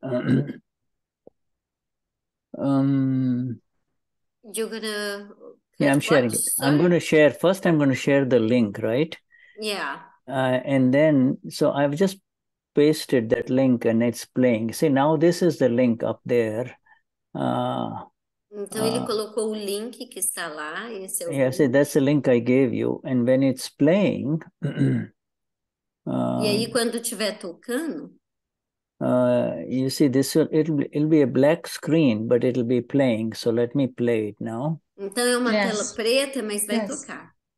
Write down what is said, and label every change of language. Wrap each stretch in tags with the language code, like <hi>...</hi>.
<en>You're going to... Yeah, I'm sharing it. Sorry. I'm going to share. First, I'm going to share the link, right? Yeah. And then I've just pasted that link and it's playing. See, now this is the link up there.</en> <pt>Então ele colocou o link que está lá. Esse é o yeah, link.</pt> <en>See, that's the link I gave you. And when it's playing...</en> <pt>e aí quando tiver tocando?</pt> <en>You see, this will, it'll be a black screen, but it'll be playing. So let me play it now.</en> <pt>Então é uma tela preta, mas vai tocar.</pt>